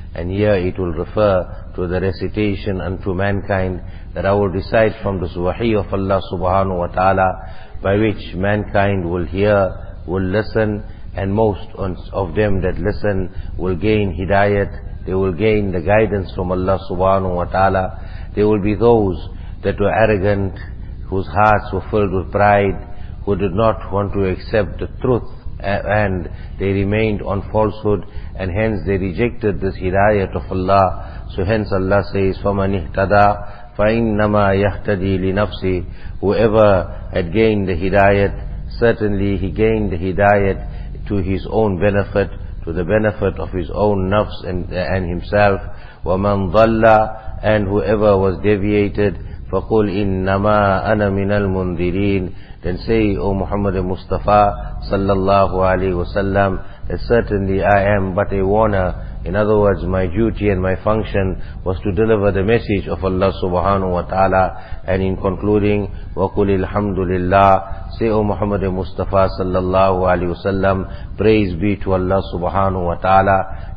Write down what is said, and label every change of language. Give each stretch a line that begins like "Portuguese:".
English: And here it will refer to the recitation unto mankind, that I will recite from the wahi of Allah subhanahu wa ta'ala, by which mankind will hear, will listen, and most of them that listen will gain hidayat, they will gain the guidance from Allah subhanahu wa ta'ala. There will be those that were arrogant, whose hearts were filled with pride, who did not want to accept the truth, and they remained on falsehood, and hence they rejected this hidayat of Allah. So hence Allah says,
Arabic: فَمَنِ اهْتَدَى فَإِنَّمَا يَهْتَدِي لِنَفْسِهِ.
English: Whoever had gained the hidayat, certainly he gained the hidayat to his own benefit, to the benefit of his own nafs and himself.
Arabic: وَمَنْ ضَلَّى,
English: and whoever was deviated,
Arabic: فَقُلْ إِنَّمَا أَنَا مِنَ الْمُنْذِرِينَ.
English: Then say, O Muhammad Mustafa sallallahu alayhi wa sallam, that certainly I am but a warner. In other words, my duty and my function was to deliver the message of Allah subhanahu wa ta'ala. And in concluding,
Arabic: وَقُلِ الْحَمْدُ لِلَّهِ,
English: say, O Muhammad Mustafa sallallahu alayhi wa sallam, praise be to Allah subhanahu wa ta'ala.